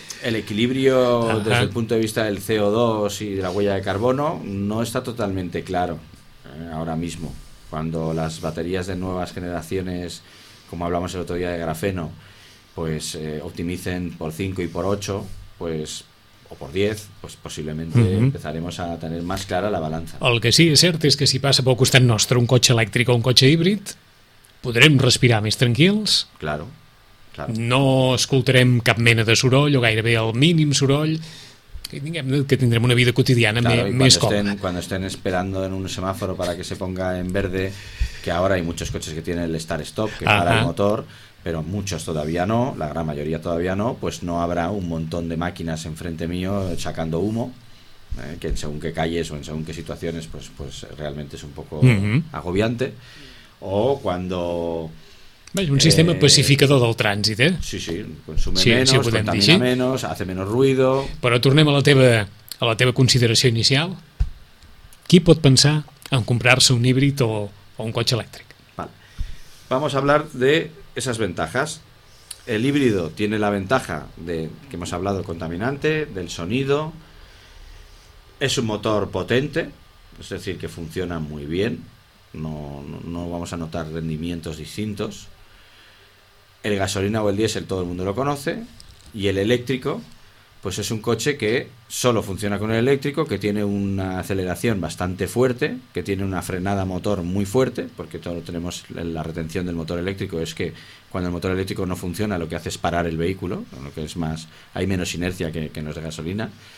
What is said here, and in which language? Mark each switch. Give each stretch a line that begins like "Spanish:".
Spanish: El equilibrio desde el punto de vista del CO2 y de la huella de carbono no está totalmente claro ahora mismo. Cuando las baterías de nuevas generaciones, como hablamos el otro día de grafeno, pues optimicen por 5 y por 8, pues, o por 10, pues posiblemente empezaremos a tener más clara la balanza.
Catalan: El que sí és cert és que si passa pel costat nostre un cotxe elèctric o un cotxe híbrid, podrem respirar més tranquils.
Spanish: Claro, claro.
Catalan: No escoltarem cap mena de soroll o gairebé el mínim soroll. que tendrem una vida quotidiana,
Spanish: claro,
Catalan: més cómoda.
Spanish: Cuando estén esperando en un semáforo para que se ponga en verde, que ahora hay muchos coches que tienen el start-stop, que para el motor, pero muchos todavía no, la gran mayoría todavía no, pues no habrá un montón de máquinas enfrente mío sacando humo, que en según qué calles o en según qué situaciones, pues realmente es un poco agobiante. O cuando...
Catalan: Un sistema pacificador del trànsit, eh?
Spanish: Sí, sí, consume
Catalan: menys, si contamina menys,
Spanish: hace menos ruido...
Catalan: Però tornem a la teva consideració inicial. Qui pot pensar en comprar-se un híbrid o un cotxe elèctric?
Spanish: Vale. Vamos a hablar de esas ventajas. El híbrido tiene la ventaja de que hemos hablado contaminante, del sonido. Es un motor potente, es decir, que funciona muy bien. No vamos a notar rendimientos distintos. El gasolina o el diésel todo el mundo lo conoce, y el eléctrico pues es un coche que solo funciona con el eléctrico, que tiene una aceleración bastante fuerte, que tiene una frenada motor muy fuerte, porque todo lo tenemos en la retención del motor eléctrico, es que cuando el motor eléctrico no funciona lo que hace es parar el vehículo, lo que es más, hay menos inercia que en los de gasolina.